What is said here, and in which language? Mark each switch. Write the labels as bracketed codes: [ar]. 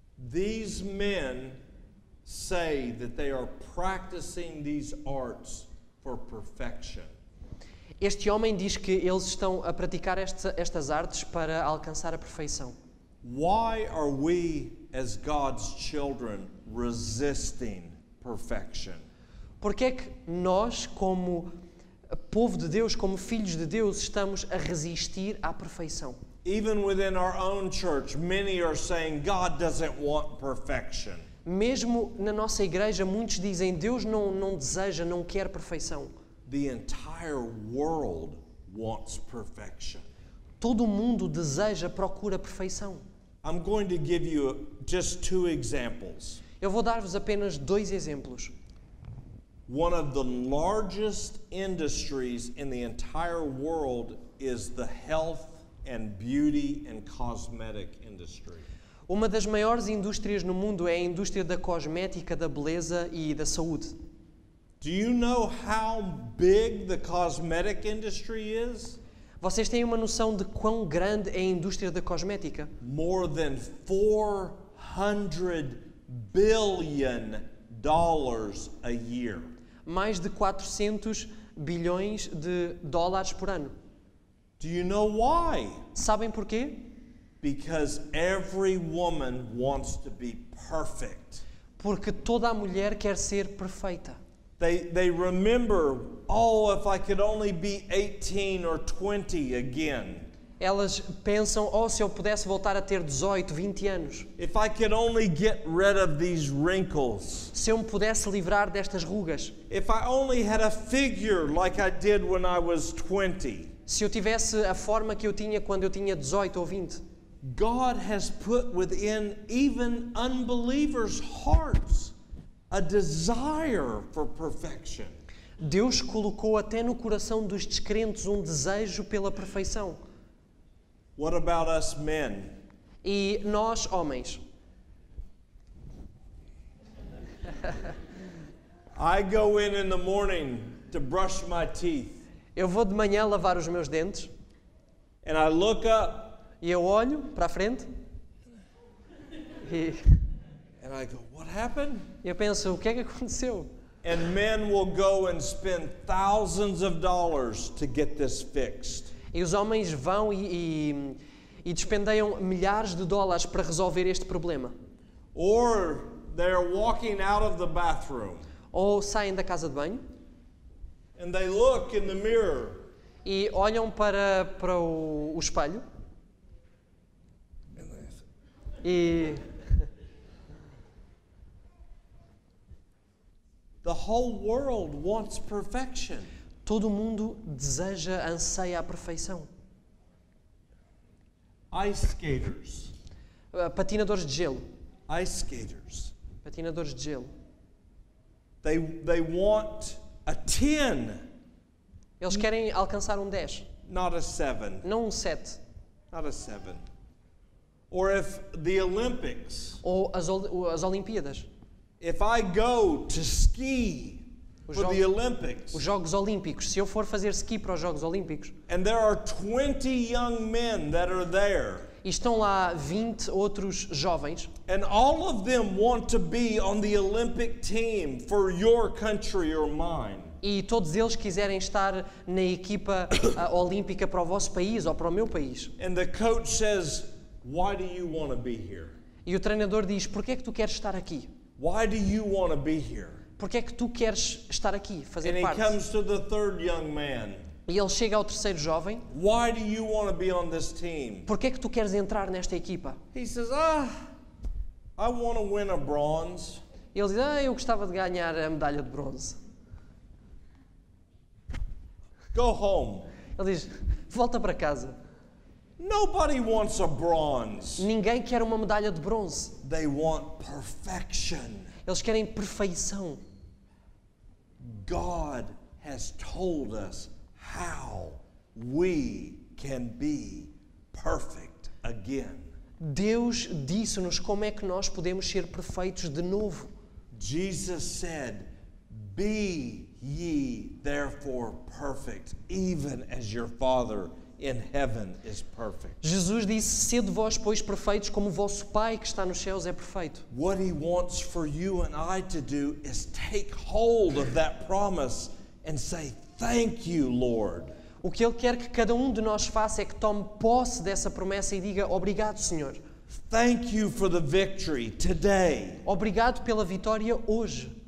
[en] These men say that they are practicing these arts for perfection. [pt] Este homem diz que eles estão a praticar estas artes para alcançar a perfeição. [en] Why are we as God's children resisting perfection? [pt] Porque é que nós, como povo de Deus, como filhos de Deus, estamos a resistir à perfeição? [en] Even within our own church, many are saying God doesn't want perfection. [pt] Mesmo na nossa igreja, muitos dizem Deus não deseja, não quer perfeição. [en] The entire world wants perfection. [pt] Todo mundo deseja, procura perfeição. [en] I'm going to give you just two examples. [pt] Eu vou dar-vos apenas dois exemplos. [en] One of the largest industries in the entire world is the health and beauty and cosmetic industry. [pt] Uma das maiores indústrias no mundo é a indústria da cosmética, da beleza e da saúde. [en] Do you know how big the cosmetic industry is? [pt] Vocês têm uma noção de quão grande é a indústria da cosmética? [en] More than $400 billion a year. [pt] Mais de 400 bilhões de dólares por ano. [en] Do you know why? [pt] Sabem porquê? [en] Because every woman wants to be perfect. [pt] Porque toda a mulher quer ser perfeita. [en] They remember, if I could only be 18 or 20 again. [pt] Elas pensam, se eu pudesse voltar a ter 18, 20 anos. [en] If I could only get rid of these wrinkles. [pt] Se eu me pudesse livrar destas rugas. [en] If I only had a figure like I did when I was 20. [pt] Se eu tivesse a forma que eu tinha quando eu tinha 18 ou 20. [en] God has put within even unbelievers' hearts a desire for perfection. [pt] Deus colocou até no coração dos descrentes um desejo pela perfeição. [en] What about us men? [pt] E nós, homens? [en] I go in the morning to brush my teeth. [pt] Eu vou de manhã lavar os meus dentes. [en] And I look up. [pt] E eu olho para a frente. [en] And I go, what happened? [pt] Eu penso, o que é que aconteceu? [en] And men will go and spend thousands of dollars to get this fixed. [pt] E os homens vão e despendeiam milhares de dólares para resolver este problema. [en] Or they're walking out of the bathroom. [pt] Ou saem da casa de banho. [en] And they look in the mirror. [pt] E olham para o espelho. E [en] The whole world wants perfection. [pt] Todo mundo deseja, anseia a perfeição. [en] Ice skaters. [pt] Patinadores de gelo. [en] Ice skaters. [pt] Patinadores de gelo. [en] They want a 10. [pt] Eles querem alcançar um 10. [en] Not a 7. [pt] Não um 7. [en] Not a 7. Or if the Olympics. [pt] Ou as Olimpíadas. [en] If I go to ski for the Olympics. [pt] Os Jogos Olímpicos. Se eu for fazer ski para os Jogos Olímpicos. [en] And there are 20 young men that are there. [pt] E estão lá 20 outros jovens. [en] And all of them want to be on the Olympic team for your country or mine. [pt] E todos eles quiserem estar na equipa olímpica para o vosso país ou para o meu país. [en] And the coach says, why do you want to be here? [pt] E o treinador diz, porquê é que tu queres estar aqui? [en] Why do you want to be here? [pt] Porquê é que tu queres estar aqui, fazer [en] And [pt] parte? [en] He comes to the third young man. [pt] E ele chega ao terceiro jovem. [en] Why do you want to be on this team? [pt] Porquê é que tu queres entrar nesta equipa? [en] He says, I want to win a bronze. [pt] Ele diz, eu gostava de ganhar a medalha de bronze. [en] Go home. [pt] Ele diz, volta para casa. [en] Nobody wants a bronze. [pt] Ninguém quer uma medalha de bronze. [en] They want perfection. [pt] Eles querem perfeição. [en] God has told us how we can be perfect again. [pt] Deus disse-nos como é que nós podemos ser perfeitos de novo. [en] Jesus said, be ye therefore perfect, even as your Father in heaven is perfect. [pt] Jesus disse, sede vós, pois, perfeitos, como vosso Pai que está nos céus é perfeito. [en] What he wants for you and I to do is take hold of that promise and say, thank you, Lord. [pt] O que ele quer que cada de nós faça é que tome posse dessa promessa e diga, obrigado, Senhor. [en] Thank you for the victory today. [pt] Obrigado pela vitória hoje.